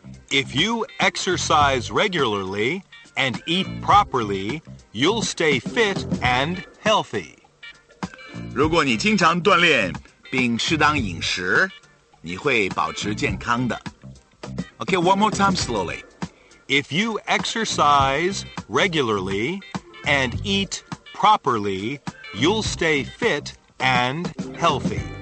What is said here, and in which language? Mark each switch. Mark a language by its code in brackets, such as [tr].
[en] If you exercise regularly and eat properly, you'll stay fit and healthy. [zh] 如果你经常锻炼并适当饮食，你会保持健康的。 [en] Okay, one more time slowly. If you exercise regularly and eat properly, you'll stay fit and healthy.